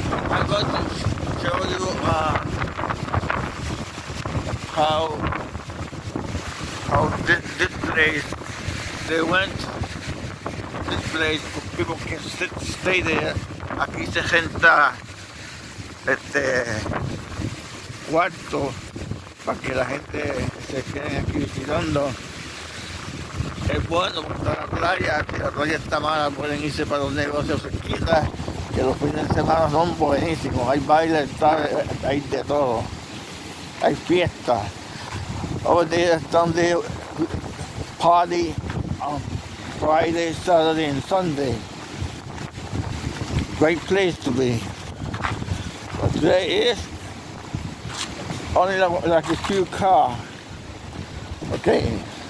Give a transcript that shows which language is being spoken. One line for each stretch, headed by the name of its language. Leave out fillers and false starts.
English: I'm going to show you how this place they went. This place people can stay there.
Spanish: Aquí se renta este cuarto para que la gente se quede aquí visitando. Es bueno para la playa, que la playa está mala, pueden irse para los negocios cerquita, que los fines de semana son buenísimos, hay baile, hay de todo, hay fiestas.
English: Over there is
Spanish: donde
English: party on Friday, Saturday and Sunday. Great place to be. But today is only like a few cars. Okay.